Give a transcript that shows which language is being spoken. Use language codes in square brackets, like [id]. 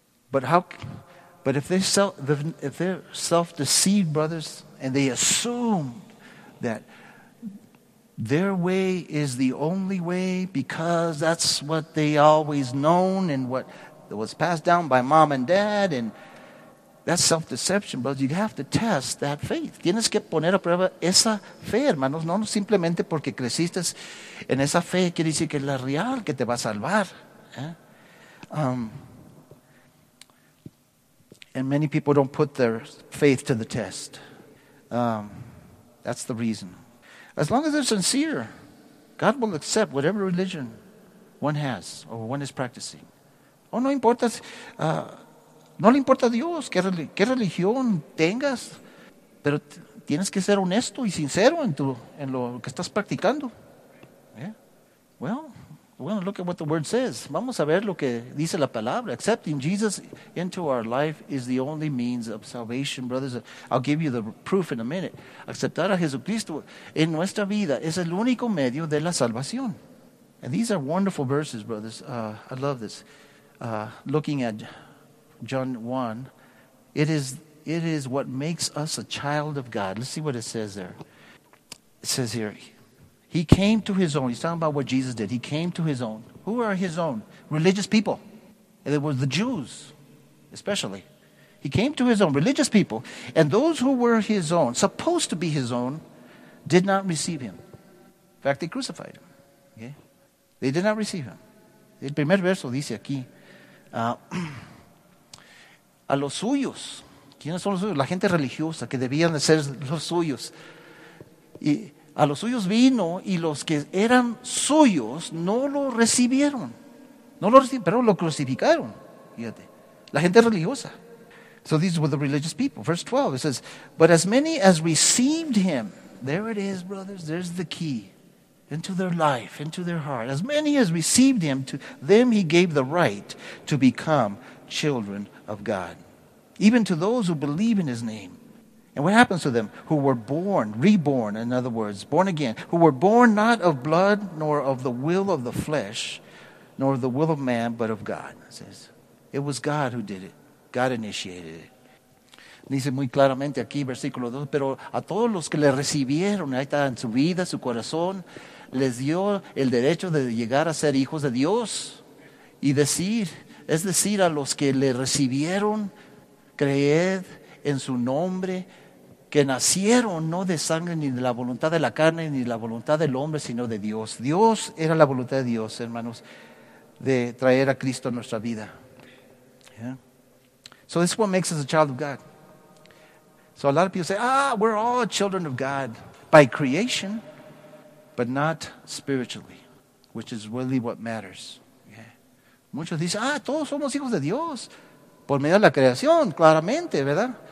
[en] But if they're self-deceived, brothers, and they assume that their way is the only way because that's what they always known and what was passed down by mom and dad, and that's self-deception, brothers. You have to test that faith. [es] Tienes que poner a prueba esa fe, hermanos. No simplemente porque creciste en esa fe quiere decir que es la real que te va a salvar. [en] And many people don't put their faith to the test. That's the reason. As long as they're sincere, God will accept whatever religion one has or one is practicing. [es] Oh, no importa, no le importa a Dios qué religión tengas, pero tienes que ser honesto y sincero en lo que estás practicando. [en] Yeah. Well, we're going to look at what the word says. [es] Vamos a ver lo que dice la palabra. [en] Accepting Jesus into our life is the only means of salvation, brothers. I'll give you the proof in a minute. [es] Aceptar a Jesucristo en nuestra vida es el único medio de la salvación. [en] And these are wonderful verses, brothers. I love this. Looking at John 1, it is what makes us a child of God. Let's see what it says there. It says here, he came to his own. He's talking about what Jesus did. He came to his own. Who are his own? Religious people. And it was the Jews, especially. He came to his own, religious people. And those who were his own, supposed to be his own, did not receive him. In fact, they crucified him. Okay? They did not receive him. [es] El primer verso dice aquí, a los suyos. ¿Quiénes son los suyos? La gente religiosa que debían de ser los suyos. Y a los suyos vino y los que eran suyos no lo recibieron. No lo recibieron, pero lo crucificaron. Fíjate. La gente religiosa. [en] So these were the religious people. Verse 12, it says, but as many as received him, there it is, brothers, there's the key into their life, into their heart. As many as received him, to them he gave the right to become children of God. Even to those who believe in his name. And what happens to them who were born, reborn, in other words, born again, who were born not of blood, nor of the will of the flesh, nor of the will of man, but of God. It says, it was God who did it. God initiated it. [es] Dice muy claramente aquí, versículo 2, pero a todos los que le recibieron, ahí está en su vida, su corazón, les dio el derecho de llegar a ser hijos de Dios. Y decir, es decir, a los que le recibieron, creed en su nombre, que nacieron no de sangre, ni de la voluntad de la carne, ni de la voluntad del hombre, sino de Dios. Dios era la voluntad de Dios, hermanos, de traer a Cristo a nuestra vida. Yeah. [en] So this is what makes us a child of God. So a lot of people say, we're all children of God by creation, but not spiritually, which is really what matters. Yeah. [es] Muchos dicen, todos somos hijos de Dios, por medio de la creación, claramente, ¿verdad?